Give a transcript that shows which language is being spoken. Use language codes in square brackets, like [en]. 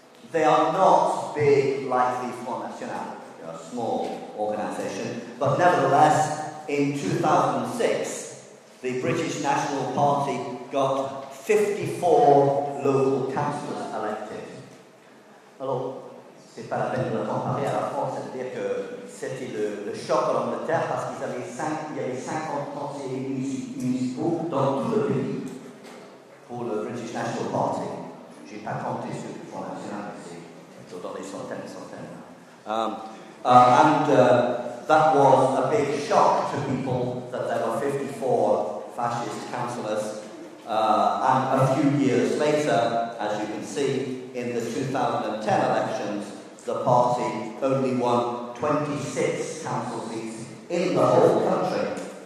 [en] They are not big like the Front National, a small organisation. But nevertheless, in 2006, the British National Party got 54 local councillors elected. [fr] Alors, c'est pas la peine de le comparer à la France, c'est-à-dire que c'était le choc en Angleterre parce qu'ils avaient 50 conseillers municipaux dans tout le pays pour le British National Party. J'ai pas compté sur le Front National, c'est dans les centaines et centaines. [en] That was a big shock to people that there were 54 fascist councillors. And a few years later, as you can see, in the 2010 elections, the party only won 26 council seats in the whole country.